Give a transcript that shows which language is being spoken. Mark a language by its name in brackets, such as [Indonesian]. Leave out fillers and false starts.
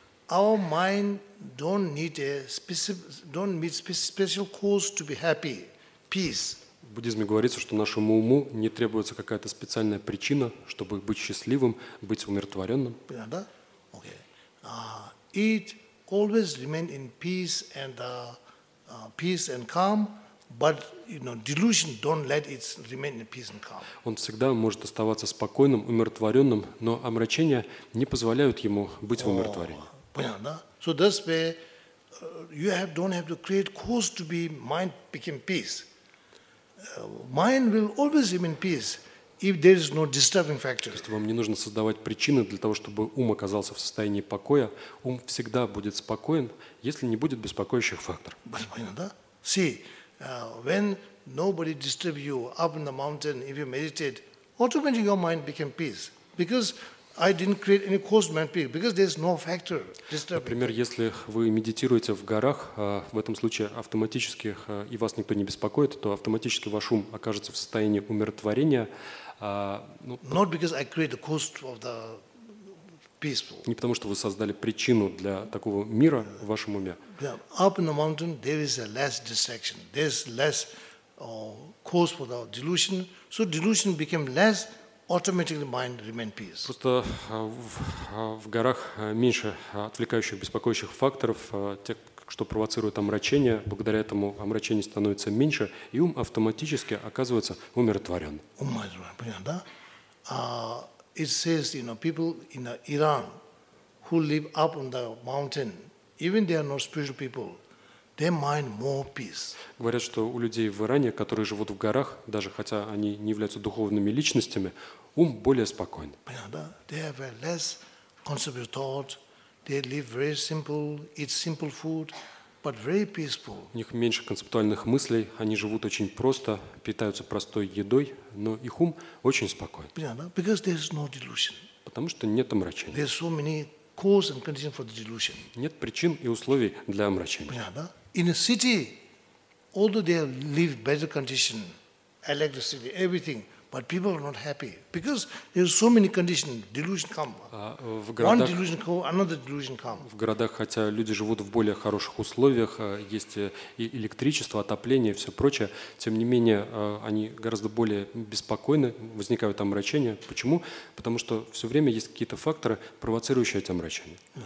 [English] Our mind don't need special cause to be happy, peace. [Russian] В буддизме говорится, что нашему уму не требуется какая-то специальная причина, чтобы быть счастливым, быть умиротворенным. Понятно, да? Okay. [English] It always remain in peace and peace and calm, but you know, delusion don't let it remain in peace and calm. [Russian] Он всегда может оставаться спокойным, умиротворенным, но омрачения не позволяют ему быть в умиротворении. Понятно, да? [English] So that's where you don't have to create cause to be mind become peace. Mind will always remain peace if there is no disturbing factor. [Russian] То есть вам не нужно создавать причины для того, чтобы ум оказался в состоянии покоя. Ум всегда будет спокоен, если не будет беспокоящих факторов. Понятно, да? [English] See, when nobody disturb you up in the mountain, if you meditate, automatically your mind become peace. Because I didn't create any cosmic peak because there's no factor disturbing. [Russian] Например, если вы медитируете в горах, в этом случае автоматически и вас никто не беспокоит, то автоматически ваш ум окажется в состоянии умиротворения. [English] Not because I create the cost of the peaceful. [Russian] Не потому что вы создали причину для такого мира в вашем уме. [English] Yeah. Up in the mountain there is a less distraction. There's less cause for the delusion. So delusion became less. Automatically mind remain peace. [Russian] Просто в горах меньше отвлекающих, беспокоящих факторов, тех, что провоцируют омрачение. Благодаря этому омрачение становится меньше, и ум автоматически оказывается умиротворен. Умиротворен, понятно, да? [English] It says, you know, people in Iran who live up on the mountain, even they are not spiritual people, their mind more peace. [Russian] Говорят, что у людей в Иране, которые живут в горах, даже хотя они не являются духовными личностями, ум более спокоен. Понятно, да? [English] They have a less conceptual thought. They live very simple, eat simple food, but very peaceful. [Russian] У них меньше концептуальных мыслей, они живут очень просто, питаются простой едой, но их ум очень спокоен. Понятно, да? [English] Because there is no delusion. [Russian] Потому что нет омрачения. [English] There are so many causes and conditions for the delusion. [Russian] Нет причин и условий для омрачения. Понятно, да? [English] In a city, although they live better condition, electricity, everything, but people are not happy because there are so many conditions. Delusion come. One delusion come, another delusion come. [Russian] В городах, хотя люди живут в более хороших условиях, есть и электричество, отопление, все прочее, тем не менее они гораздо более беспокойны, возникают омрачения. Почему? Потому что все время есть какие-то факторы, провоцирующие эти омрачения.